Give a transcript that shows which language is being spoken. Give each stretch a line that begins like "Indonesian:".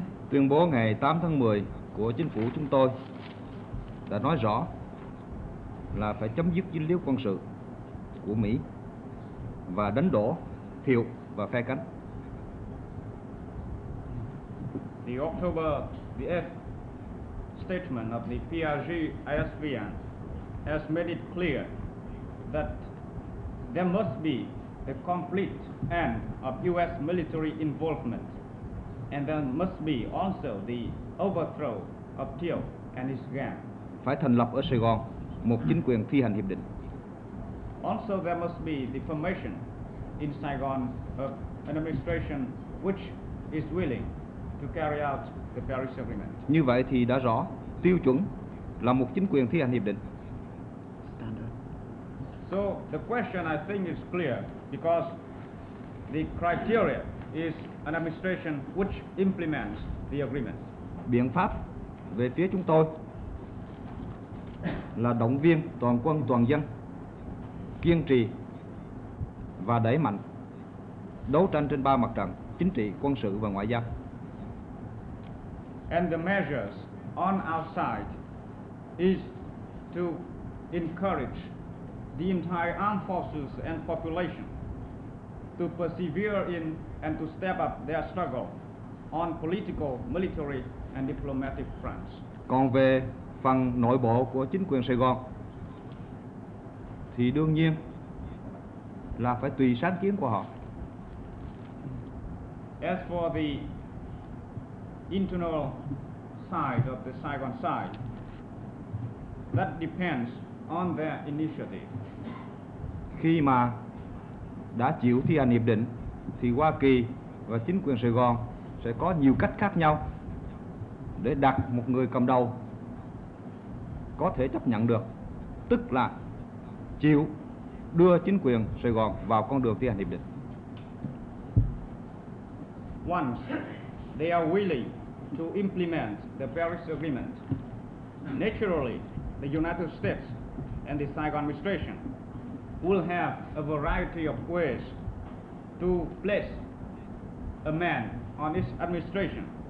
Vietnamese: Tuyên bố ngày 8 tháng 10 của chính phủ chúng tôi đã nói rõ là phải chấm dứt dính líu quân sự của Mỹ và đánh đổ Thiệu và phe cánh.
English: The October the 8th statement of the PRG ISVN has made it clear that there must be a complete end of US military involvement. And there must be also the overthrow of Thiệu and his gang.
Vietnamese: Phải thành lập ở Sài Gòn một chính quyền thi hành hiệp định.
English: Also there must be the formation in Saigon of an administration which is willing to carry out the Paris Agreement.
Vietnamese: Như vậy thì đã rõ tiêu chuẩn là một chính quyền thi hành hiệp định.
English: Standard. So the question I think is clear, because the criteria is an administration which implements the agreement.
Vietnamese: Biện pháp về phía chúng tôi là động viên toàn quân toàn dân kiên trì và đẩy mạnh đấu tranh trên ba mặt trận chính trị, quân sự và ngoại giao.
English: And the measures on our side is to encourage the entire armed forces and population to persevere in and to step up their struggle on political, military and diplomatic fronts.
Vietnamese: Còn về phần nội bộ của chính quyền Sài Gòn thì đương nhiên là phải tùy sáng kiến của họ.
English: As for the internal side of the Saigon side, that depends on their initiative.
Vietnamese: Khi mà đã chịu thi hành hiệp định thì Hoa Kỳ và chính quyền Sài Gòn sẽ có nhiều cách khác nhau để đặt một người cầm đầu có thể chấp nhận được, tức là chịu đưa chính quyền Sài Gòn vào con đường thi hành hiệp định.
English: Once they are willing to implement the Paris Agreement, naturally the United States and the Saigon administration will have a variety of ways to place a man on this administration.